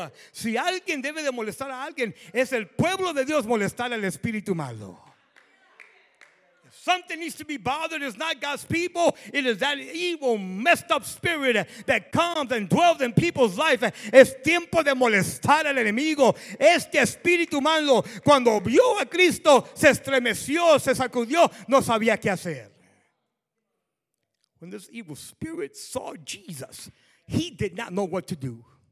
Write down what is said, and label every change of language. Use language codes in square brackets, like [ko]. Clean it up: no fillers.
[es] Si alguien debe de molestar a alguien, es el pueblo de Dios molestar al espíritu malo. [en] Something needs to be bothered. It's not God's people. It is that evil, messed up spirit that comes and dwells in people's life. [es] Es tiempo de molestar al enemigo. Este espíritu malo, cuando vio a Cristo, se estremeció, se sacudió, no sabía qué hacer. [en] When this evil spirit saw Jesus, he did not know what to do.